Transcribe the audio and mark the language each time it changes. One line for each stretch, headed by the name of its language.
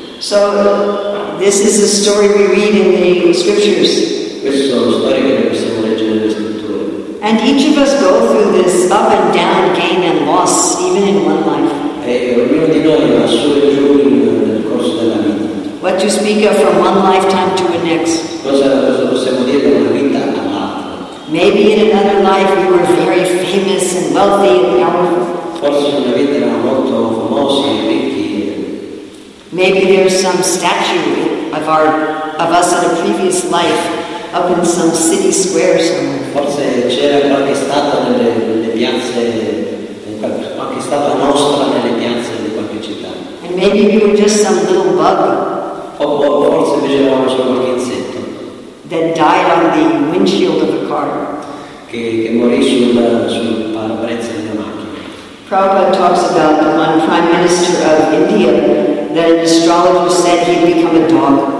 English: So this is a story we read in the scriptures.
Italian: Queste sono storie che possiamo leggere nelle scritture.
English: And each of us go through this up and down, gain and loss, even in one life.
Italian: E ognuno di noi va su e giù nel corso della vita.
English: What you speak of from one lifetime to the next.
Italian: Cosa possiamo dire dalla vita all'altra?
English: Maybe in another life you were very famous and wealthy and powerful.
Italian: Forse in una vita erano molto famosi e ricchi.
English: Maybe there's some statue of us in a previous life up in some city square somewhere.
Italian: Forse c'era qualche statua nelle piazze, qualche statua nostra nelle piazze di qualche città.
English: And maybe we were just some little bug.
Italian: Forse invece eravamo solo qualche insetto.
English: That died on the windshield of a car.
Italian: Che morì sul parabrezza di una macchina.
English: Prabhupada talks about the one prime minister of India that an astrologer said he'd become a dog.